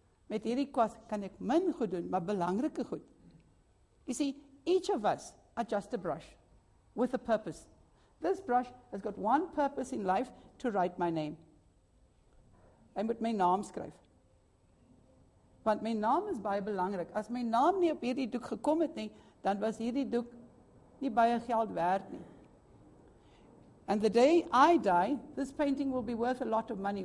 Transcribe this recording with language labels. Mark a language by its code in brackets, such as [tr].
[af] Met hierdie kwas kan ek min goed doen, maar belangrike goed. [en] You see, each of us are just a brush with a purpose. This brush has got one purpose in life, to write my name. [af] Hy moet my naam skryf. Want my naam is baie belangrik. As my naam nie op hierdie doek gekom het nie, dan was hierdie doek nie baie geld werd nie. [en] And the day I die, this painting will be worth a lot of money.